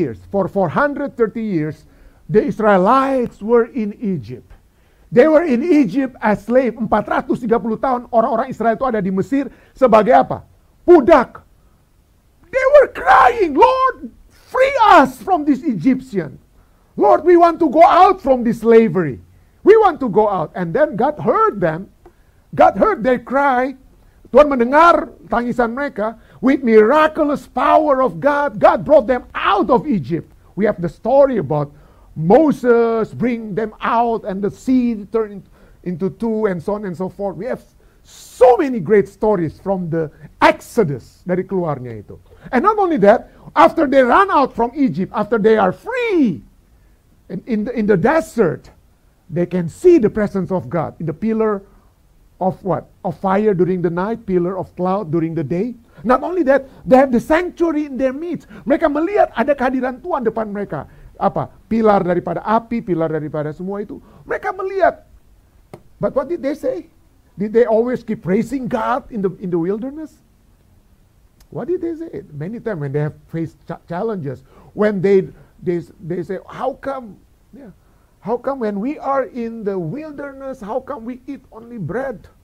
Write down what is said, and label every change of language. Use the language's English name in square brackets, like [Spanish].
[English] For 430 years, the Israelites were in Egypt. They were in Egypt as slave. [Indonesian] 430 tahun orang-orang Israel itu ada di Mesir sebagai apa? Budak. [English] They were crying, Lord, free us from this Egyptian. Lord, we want to go out from this slavery. We want to go out. And then God heard them. God heard their cry. [Indonesian] Tuhan mendengar tangisan mereka. [English] With miraculous power of God, God brought them out of Egypt. We have the story about Moses bring them out and the sea turned into two and so on and so forth. We have so many great stories from the Exodus, [Indonesian] dari keluarnya itu. [English] And not only that, after they run out from Egypt, after they are free in the desert, they can see the presence of God in the pillar of what? Of fire during the night, pillar of cloud during the day. Not only that, they have the sanctuary in their midst. [Indonesian] Mereka melihat ada kehadiran Tuhan depan mereka. Apa? Pilar daripada api, pilar daripada semua itu. Mereka melihat. [English] But what did they say? Did they always keep praising God in the wilderness? What did they say? Many times when they have faced challenges, when they say, how come? Yeah. How come when we are in the wilderness, how come we eat only bread?